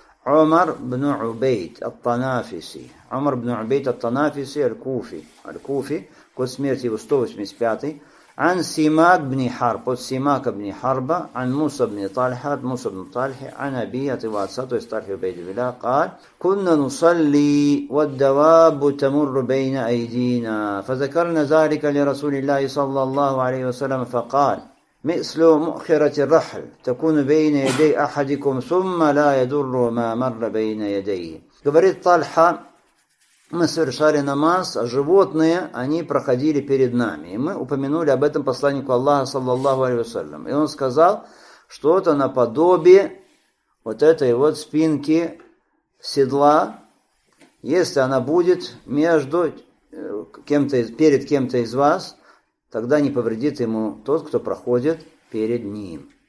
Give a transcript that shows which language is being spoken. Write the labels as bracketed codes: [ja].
[ru] Умар ибн Убейд ат-Танафиси. Умар ибн Убейд ат-Танафиси аль-Куфи. Аль-Куфи, год смерти его 185. Ан Симак ибн Харб. От Симака ибн Харба. Ан Муса ибн Тальха. От Муса ибн Тальхи. [ar] Ан Абия [ru] от его отца, то есть Тальхи Убейд Вилля. [ar] Кал. Кунна нусалли. والدواب تمر بين أيدينا فذكرنا ذلك لرسول الله صلى الله عليه وسلم فقال مثل مؤخرة الرحل تكون بين يدي أحدكم ثم لا يدر ما مر بين يديه. [ru] Говорит Тальха, мы совершали намаз, а животные, они проходили перед нами. И мы упомянули об этом посланнику Аллаха, саллаллаху алейхи ва саллям. И он сказал, что это наподобие вот этой вот спинки седла, если она будет между кем-то, перед кем-то из вас, тогда не повредит ему тот, кто проходит перед ним.